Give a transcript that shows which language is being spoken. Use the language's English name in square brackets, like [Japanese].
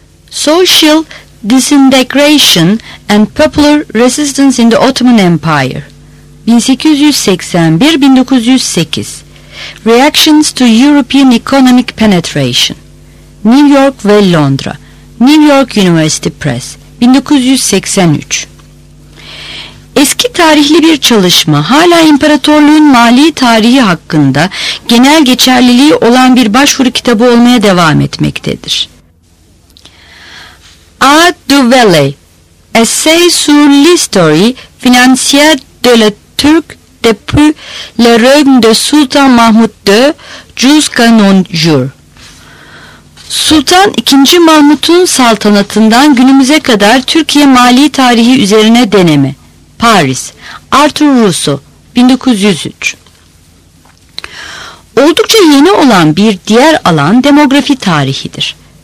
[English] Social Disintegration and Popular Resistance in the Ottoman Empire, 1881-1908, Reactions to European Economic Penetration, New York ve Londra, New York University Press, 1983. [Turkish] Eski tarihli bir çalışma, hala imparatorluğun mali tarihi hakkında genel geçerliliği olan bir başvuru kitabı olmaya devam etmektedir. [French] A. du Vallée, Essai sur l'histoire financière de la Turquie depuis le règne de Sultan Mahmud II jusqu'à nos jours. [Turkish] Sultan II. Mahmut'un saltanatından günümüze kadar Türkiye mali tarihi üzerine deneme. Paris, Arthur Russo, 1903. oldukça yeni olan bir diğer alan demografi tarihidir.